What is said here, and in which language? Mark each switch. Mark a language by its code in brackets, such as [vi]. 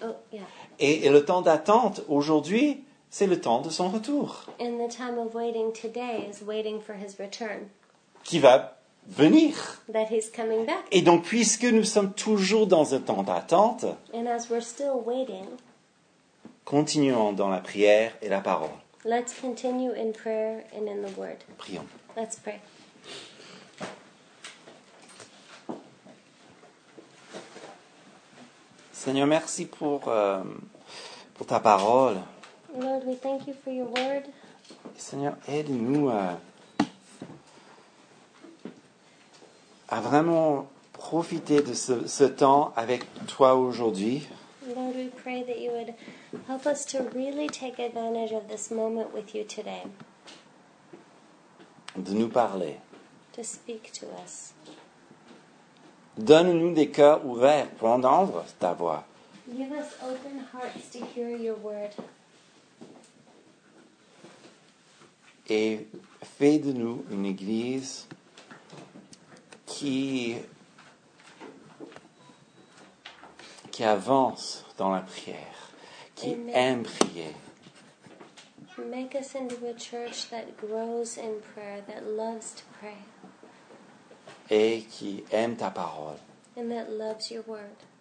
[en] Oh, yeah. [fr] Et le temps d'attente aujourd'hui, c'est le temps de son retour. [en] And the time of waiting today is waiting for his return. [fr] Qui va venir. [en] That he's coming back. [fr] Et donc, puisque nous sommes toujours dans un temps d'attente, [en] and as we're still waiting, [fr] continuons dans la prière et la parole. [en] Let's continue in prayer and in the word. [fr] Prions. [en] Let's pray. [fr] Seigneur, merci pour ta parole. [en] Lord, we thank you for your word. [fr] Seigneur, aide-nous à vraiment profiter de ce temps avec toi aujourd'hui. [en] Lord, we pray that you would help us to really take advantage of this moment with you today. [fr] De nous parler. [en] To speak to us. [fr] Donne-nous des cœurs ouverts pour entendre ta voix. [en] Give us open hearts to hear your word. [fr] et fait de nous une église qui avance dans la prière, qui aime prier. [en] Make us into a church that grows in prayer, that loves to pray. [fr] Et qui aime ta parole. [en] And that loves your word.